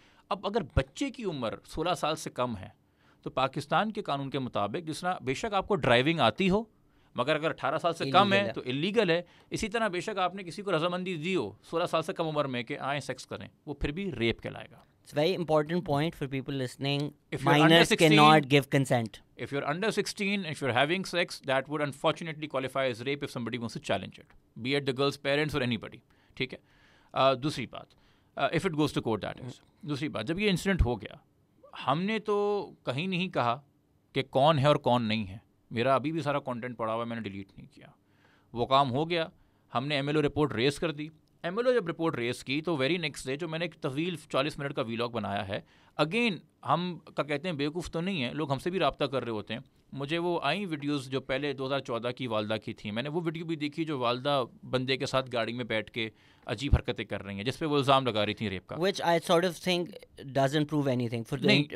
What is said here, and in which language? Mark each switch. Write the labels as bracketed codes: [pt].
[ur] اب اگر بچے کی عمر 16 سال سے کم ہے, تو پاکستان کے قانون کے مطابق جس طرح بے شک آپ کو ڈرائیونگ آتی ہو, مگر اگر 18 سال سے کم ہے تو الیگل ہے. اسی طرح بے شک آپ نے کسی کو رضامندی دی ہو 16 سال سے کم عمر میں کہ آئیں سیکس کریں, وہ پھر بھی ریپ کہلائے گا. [en] It's very important point for people listening. If minors cannot give consent. If you're under 16, if you're having sex, that would unfortunately qualify as rape if somebody wants to challenge it. Be it the girl's parents or anybody. [ur] ٹھیک ہے. دوسری بات, [en] if it goes to court, that is. [ur] دوسری بات, جب یہ incident ہو گیا, ہم نے تو کہیں نہیں کہا کہ کون ہے اور کون نہیں ہے. میرا ابھی بھی سارا کانٹینٹ پڑا ہوا ہے, میں نے ڈیلیٹ نہیں کیا. وہ کام ہو گیا, ہم نے M L O report raise کر دی. ایم ایل او جب رپورٹ ریز کی تو [en] very next day, [ur] جو میں نے ایک طویل 40 منٹ کا ویلاگ بنایا ہے, اگین ہم کا کہتے ہیں بیوقوف تو نہیں ہے, لوگ ہم سے بھی رابطہ کر رہے ہوتے ہیں. مجھے وہ آئیں ویڈیوز جو پہلے 2014 کی والدہ کی تھیں, میں نے وہ ویڈیو بھی دیکھی جو والدہ بندے کے ساتھ گاڑی میں بیٹھ کے عجیب حرکتیں کر رہی ہیں, جس پہ وہ الزام لگا رہی تھیں ریپ کا. [en] Which I sort of think doesn't prove anything for the,